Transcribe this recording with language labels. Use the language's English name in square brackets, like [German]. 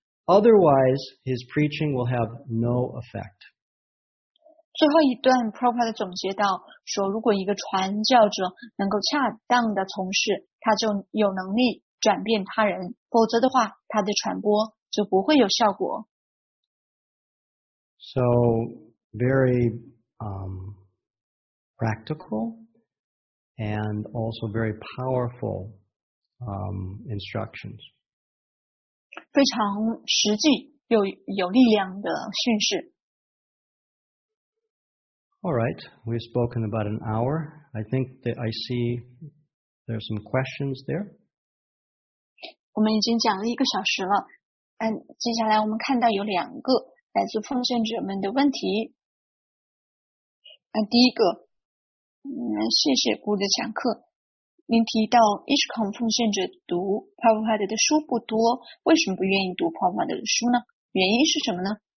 [English] Otherwise, his preaching will have no effect. [Chinese] 最后一段 Prabhupada 总结到说，如果一个传教者能够恰当的从事，他就有能力转变他人，否则的话，他的传播就不会有效果。 [English] So, very, practical and also very powerful, instructions. [Chinese] 非常实际又有力量的训示。 [English] Alright, we've spoken about an hour. I think that I see there are some questions there. [Chinese] 我们已经讲了一个小时了，接下来我们看到有两个来自奉献者们的问题。第一个，谢谢顾的讲课。您提到 ISKCON 奉献者读 Prabhupada 的书不多，为什么不愿意读 Prabhupada 的书呢？原因是什么呢？